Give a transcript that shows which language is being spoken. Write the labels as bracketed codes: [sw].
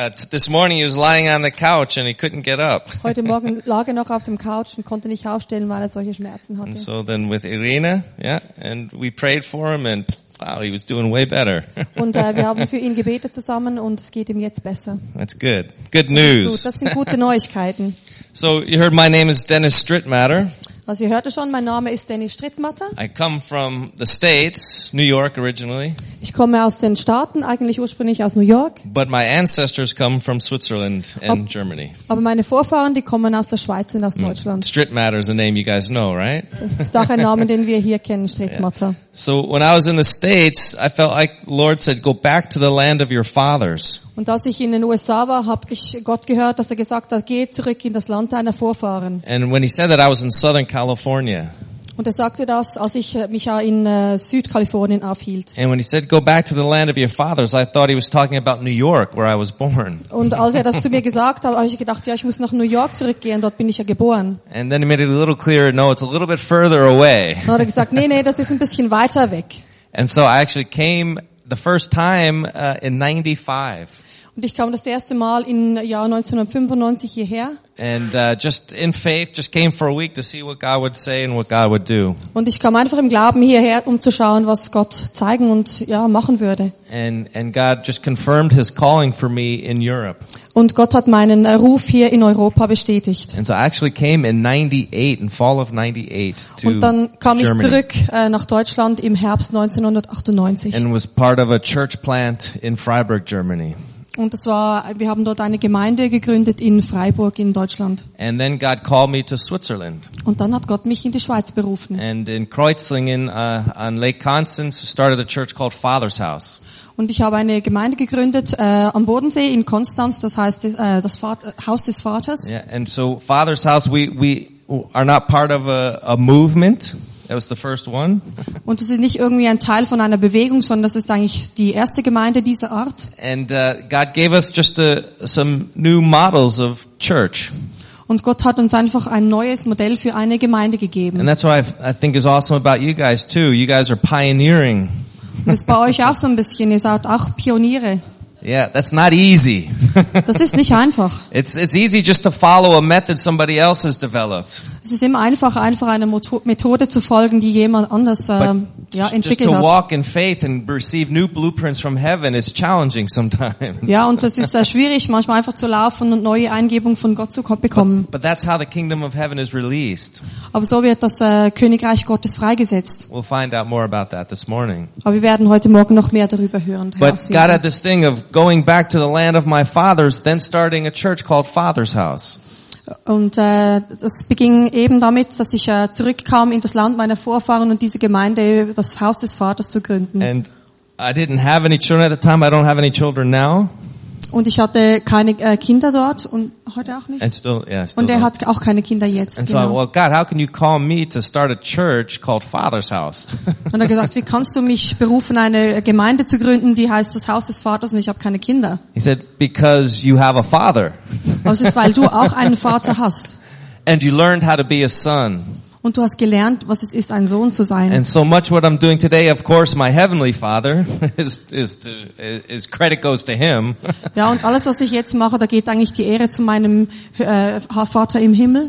[en] This morning he was lying on the couch and he couldn't get up. [de] Heute Morgen lag er noch auf dem Couch und konnte nicht aufstehen, weil er solche Schmerzen hatte. [en] And so then with Irina, yeah, and we prayed for him and wow, he was doing way better. [de] Und wir haben für ihn gebetet zusammen und es geht ihm jetzt besser. [en] That's good. Good news. [de] Das sind gute Neuigkeiten. [en] So you heard my name is Dennis Strittmatter. [de] Also ihr hört schon, mein Name ist Dennis Strittmatter. [en] I come from the States, New York originally. [de] Ich komme aus den Staaten, eigentlich ursprünglich aus New York. [en] But my ancestors come from Switzerland and Germany. [de] Aber meine Vorfahren, die kommen aus der Schweiz und aus Deutschland. [en] Strittmatter is a name you guys know, right? [de] Das ist auch ein Name, den wir hier kennen, Strittmatter. [en] Yeah. So when I was in the States, I felt like Lord said, go back to the land of your fathers. [de] Und als ich in den USA war, habe ich Gott gehört, dass er gesagt hat, geh zurück in das Land deiner Vorfahren. [en] And when he said that, I was in Southern California. [de] Und er sagte das, als ich mich in Südkalifornien aufhielt. [en] And when he said, go back to the land of your fathers, I thought he was talking about New York, where I was born. [de] Und als er das zu mir gesagt hat, habe ich gedacht, ja, ich muss nach New York zurückgehen, dort bin ich ja geboren. [en] And then he made it a little clearer, no, it's a little bit further away. [de] Dann hat er gesagt, nee, das ist ein bisschen weiter weg. [en] And so I actually came the first time in 95. [de] Und ich kam das erste Mal im Jahr 1995 hierher. [en] And just in faith, just came for a week to see what God would say and what God would do. [de] Und ich kam einfach im Glauben hierher, um zu schauen, was Gott zeigen und ja machen würde. [en] And God just confirmed His calling for me in Europe. [de] Und Gott hat meinen Ruf hier in Europa bestätigt. [en] And so I actually came in 98, in fall of 98 to Germany. [de] Und dann kam ich zurück nach Deutschland im Herbst 1998. [en] And was part of a church plant in Freiburg, Germany. [de] Und das war, wir haben dort eine Gemeinde gegründet in Freiburg in Deutschland. [en] And then God called me to Switzerland. [de] Und dann hat Gott mich in die Schweiz berufen. [en] And in Kreuzlingen on Lake Constance started a church called Father's House. [de] Und ich habe eine Gemeinde gegründet am Bodensee in Konstanz, das heißt das Haus des Vaters. [en] Yeah, and so Father's House, we are not part of a movement. That was the first one. [de] Und das ist nicht irgendwie ein Teil von einer Bewegung, sondern das ist eigentlich die erste Gemeinde dieser Art. [en] And God gave us just some new models of church. [de] Und Gott hat uns einfach ein neues Modell für eine Gemeinde gegeben. [en] And that's what I think is awesome about you guys too. You guys are pioneering. [de] Und das bei euch auch so ein bisschen, ihr seid auch Pioniere. [en] Yeah, that's not easy. [de] Das ist nicht einfach. [en] It's easy just to follow a method somebody else has developed. [de] Es ist immer einfach eine Methode zu folgen, die jemand anders entwickelt hat. [en] Just to walk in faith and receive new blueprints from heaven is challenging sometimes. [de] Ja, und das ist sehr schwierig, manchmal einfach zu laufen und neue Eingebungen von Gott zu bekommen. [en] But that's how the kingdom of heaven is released. [de] Aber so wird das Königreich Gottes freigesetzt. [en] We'll find out more about that this morning. [de] Aber wir werden heute Morgen noch mehr darüber hören. [en] But God had this thing of going back to the land of my fathers, then starting a church called Father's House. [de] Und das beging eben damit, dass ich zurückkam in das Land meiner Vorfahren und diese Gemeinde, das Haus des Vaters zu gründen. [en] And I didn't have any children at the time. I don't have any children now. [de] Und ich hatte keine Kinder dort und heute auch nicht. [en] And still, yeah, still [de] und er hat auch keine Kinder jetzt. [en] And so [de] genau. [en] Well, God, how can you call me to start a church called Father's House? [de] Und er hat gesagt, wie kannst du mich berufen, eine Gemeinde zu gründen, die heißt das Haus des Vaters und ich habe keine Kinder? [en] He said, because you have a father. [de] Aber es ist, weil du auch einen Vater hast. [en] And you learned how to be a son. [de] Und du hast gelernt, was es ist, ein Sohn zu sein. [en] And so much what I'm doing today, of course, my heavenly Father is credit goes to him. [de] Ja, und alles, was ich jetzt mache, da geht eigentlich die Ehre zu meinem Vater im Himmel.